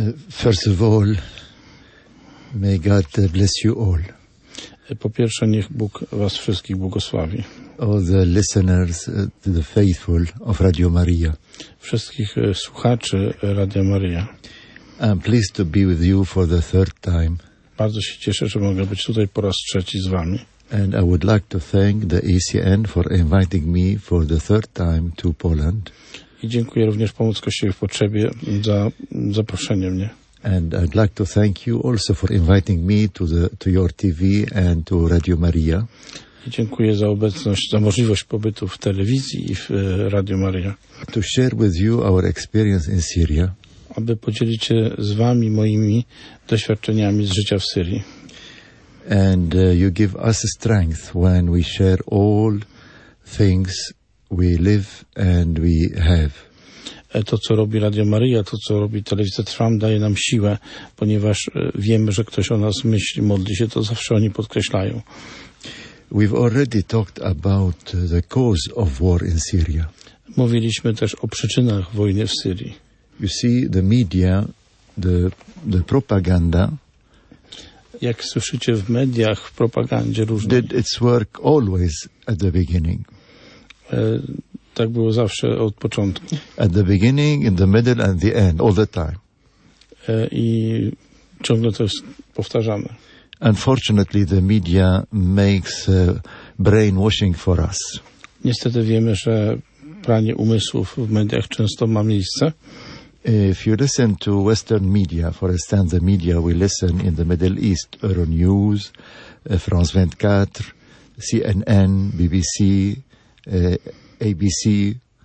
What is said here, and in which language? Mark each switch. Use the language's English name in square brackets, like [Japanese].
[English] First of all, may God bless you all. [Polish] Po pierwsze, niech Bóg was wszystkich błogosławi. [English] All the listeners, the faithful of Radio Maria. [Polish] Wszystkich słuchaczy Radio Maria. [English] I'm pleased to be with you for the third time. [Polish] Bardzo się cieszę, że mogę być tutaj po raz trzeci z wami. [English] And I would like to thank the ACN for inviting me for the third time to Poland. [Polish] I dziękuję również Pomoc Kościołowi w Potrzebie za zaproszenie mnie. [English] And I'd like to thank you also for inviting me to your TV and to Radio Maria. [Polish] I dziękuję za obecność, za możliwość pobytu w telewizji i w Radio Maria. [English] To share with you our experience in Syria. [Polish] Aby podzielić się z wami moimi doświadczeniami z życia w Syrii. [English] And you give us strength when we share all things we live and we have. [Polish] To, co robi Radio Maria, to, co robi Telewizja Trwam, daje nam siłę, ponieważ wiemy, że ktoś o nas myśli, modli się, to zawsze oni podkreślają. [English] We've already talked about the cause of war in Syria. [Polish] Mówiliśmy też o przyczynach wojny w Syrii. [English] You see, the media, the propaganda. [Polish] Jak słyszycie w mediach, w propagandzie różnej. [English] Did its work always at the beginning. [Polish] Tak było zawsze od początku. [English] At the beginning, in the middle, and the end, all the time. [Polish] I ciągle to powtarzamy. [English] Unfortunately, the media makes brainwashing for us. [Polish] Niestety wiemy, że pranie umysłów w mediach często ma miejsce. [English] If you listen to Western media, for instance, the media we listen in the Middle East, Euronews, France 24, CNN, BBC, ABC.